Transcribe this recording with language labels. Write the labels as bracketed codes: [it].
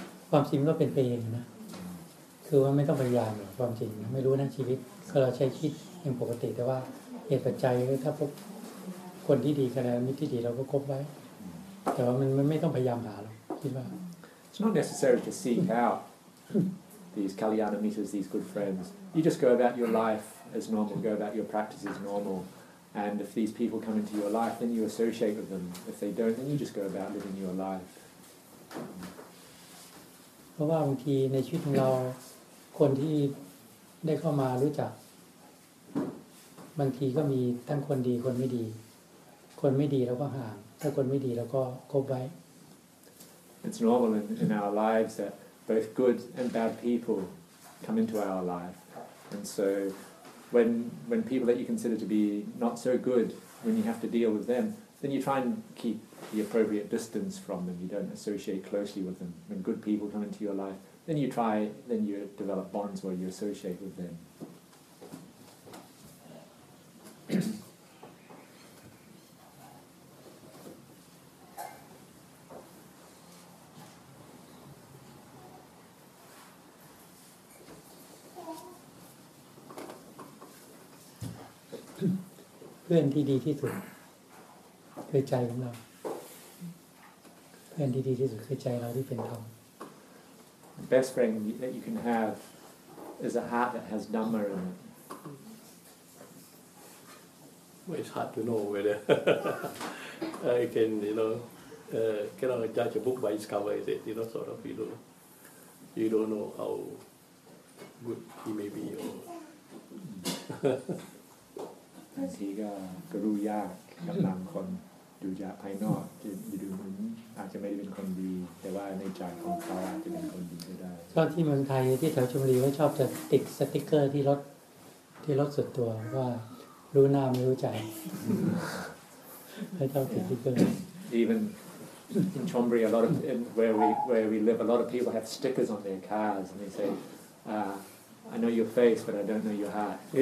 [th] ความจริงก็เป็นไปเองนะคือว่าไม่ต้องพยายามหรอกความจริงไม่รู้นะชีวิตก็เราใช้คิดอย่างปกติแต่ว่าเหตุปัจจัยถ้าพบคนที่ดีกันแล้วมิตรที่ดีเราก็คบไว้แต่ว่ามันไม่ต้องพยายามหาหรอกคิดว่า [en] It's not necessary to seek out these Kalyanamitas, these good friends. You just go about your life as normal, go about your practice as normal. And if these people come into your life, then you associate with them. If they don't, then you just go about living your life. [th] เพราะว่าบางทีในชีวิตของเราคนที่ได้เข้ามารู้จักบางทีก็มีทั้งคนดีคนไม่ดีคนไม่ดีเราก็ห่างถ้าคนไม่ดีเราก็คบไว้ [en] It's normal in our lives that both good and bad people come into our life, and so when people that you consider to be not so good, when you have to deal with them, then you try and keep the appropriate distance from them. You don't associate closely with them. When good people come into your life, then you develop bonds where you associate with them. [th] เพื่อนที่ดีที่สุดคือใจของเราเพื่อนที่ดีที่สุดคือใจเราที่เป็นธรรม [en] The best friend that you can have is a heart that has Dhamma in it. Well, it's hard to know whether I can, you know, cannot judge a book by its cover, is it? You know, sort of, you don't know how good he may be or... [th] บางทีก็กรุยากกับบางคนดูจากภายนอกจะดูเหมือนอาจจะไม่ได้เป็นคนดีแต่ว่าในใจของเขาจะเป็นคนดีก็ได้ ก็ที่เมืองไทยที่แถวชลบุรีก็ชอบจะติดสติ๊กเกอร์ที่รถที่รถส่วนตัวว่ารู้หน้าไม่รู้ใจให้เจ้าติดสติ๊กเกอร์ [en] Even in Chonburi a lot of where we live a lot of people have stickers on their cars and they say I know your face but I don't know your heart